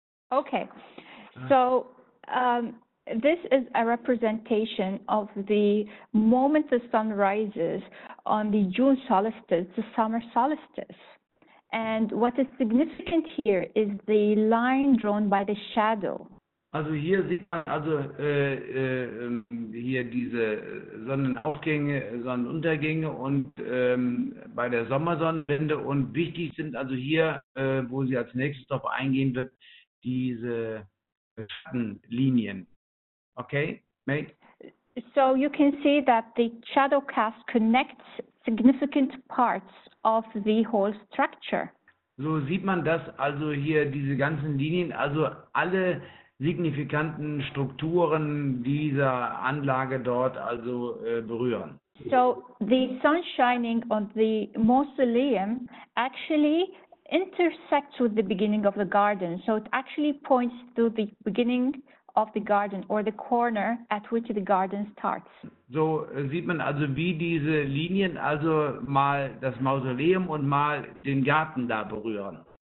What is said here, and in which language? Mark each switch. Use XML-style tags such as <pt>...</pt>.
<en>Okay, so this is a representation of the moment the sun rises on the June solstice, the summer solstice. And what is significant here is the line drawn by the shadow.</en> <de>Also hier sieht man also hier diese Sonnenaufgänge, Sonnenuntergänge und bei der Sommersonnenwende. Und wichtig sind also hier, wo sie als nächstes darauf eingehen wird, diese Schattenlinien.</de> <en>Okay, mate? So you can see that the shadow cast connects significant parts of the whole structure.</en> <de>So sieht man das also hier, diese ganzen Linien, also alle signifikanten Strukturen dieser Anlage dort also berühren.</de> <en>So the sun shining on the mausoleum actually intersects with the beginning of the garden. So it actually points to the beginning of the garden or the corner at which the garden starts.</en> <de>So sieht man also, wie diese Linien also mal das Mausoleum und mal den Garten da berühren.</de>